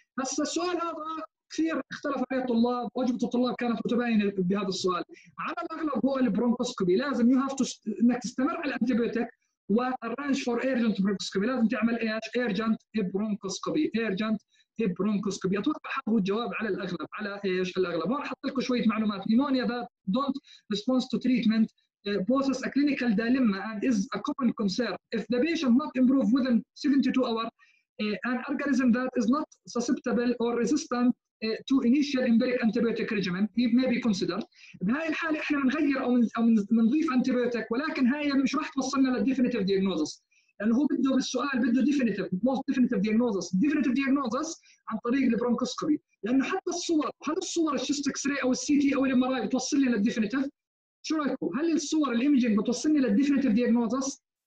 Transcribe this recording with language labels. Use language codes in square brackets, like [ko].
[ar] هسا السؤال هذا كثير اختلف عليه الطلاب، وأجوبة الطلاب كانت متباينة بهذا السؤال. على الأغلب هو البرونكوسكوبي، لازم [en] you have to [ar] إنك تستمر على الأنتيبيوتيك و [en] arrange for urgent bronchoscopy، [ar] لازم تعمل إيش؟ [en] urgent bronchoscopy، [ar] urgent برونكوسكوبي. أتوقع هذا هو الجواب على الأغلب، على إيش الأغلب. وأنا حط لكم شوية معلومات. [en] Pneumonia that don't respond to treatment poses a clinical dilemma and is a common concern. If the patient not improve within 72 hours, an organism that is not susceptible or resistant to initial empiric antibiotic regimen may be considered. [ar] بهاي الحالة إحنا نغير أو نضيف antibiotic، ولكن هاي مش راح توصلنا للdefinitive diagnosis. لأنه هو بده بالسؤال بده [en] definitive most definitive diagnosis. definitive diagnosis [ar] عن طريق البرونكوسكوبي، لأنه حتى الصور، هل الصور الشست اكس راي او السي تي او الام ار اي بتوصلني للديفينيتيف؟ شو رايكم؟ هل الصور الايمجينج بتوصلني للديفينيتيف دياجنوزس؟